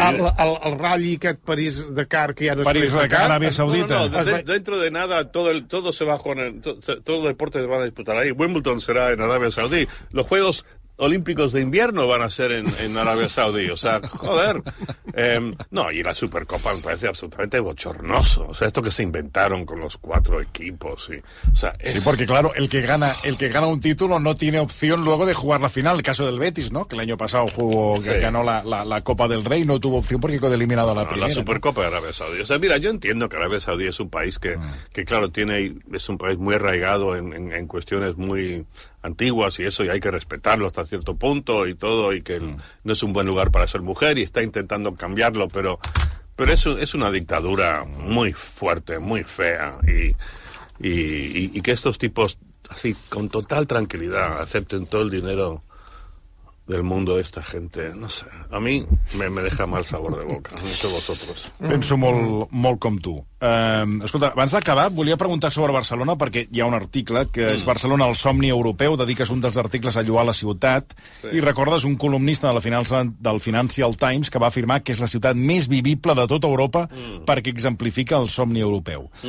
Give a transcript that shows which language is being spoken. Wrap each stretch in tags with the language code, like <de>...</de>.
<ca>El rally aquest París-Dakar, que ja no és París-Dakar, l'Aràbia Saudita.</ca> <es>Dentro de nada, todo se va a jugar, todo el deporte se va a disputar ahí. Wimbledon será en Aràbia Saudita. Los Juegos Olímpicos de invierno van a ser en Arabia Saudí, o sea, joder. No, y la Supercopa me parece absolutamente bochornoso. O sea, esto que se inventaron con los cuatro equipos. Y, o sea, es... Sí, porque claro, el que gana un título no tiene opción luego de jugar la final. El caso del Betis, ¿no? Que el año pasado jugó, sí, ganó la Copa del Rey, no tuvo opción porque quedó eliminado a la primera. La Supercopa, ¿no?, de Arabia Saudí. O sea, mira, yo entiendo que Arabia Saudí es un país que claro, es un país muy arraigado en cuestiones muy antiguas y eso, y hay que respetarlo hasta cierto punto y todo, y que no es un buen lugar para ser mujer y está intentando cambiarlo, pero eso es una dictadura muy fuerte, muy fea, y que estos tipos así con total tranquilidad acepten todo el dinero del mundo de esta gente, no sé, a mí me deja mal sabor de boca, no sé vosotros.</es> <ca>Penso molt, molt com tu. Escolta, abans d'acabar, volia preguntar sobre Barcelona, perquè hi ha un article que és Barcelona, el somni europeu, dediques un dels articles a lloar la ciutat, sí, i recordes un columnista de la del Financial Times que va afirmar que és la ciutat més vivible de tota Europa perquè exemplifica el somni europeu.</ca>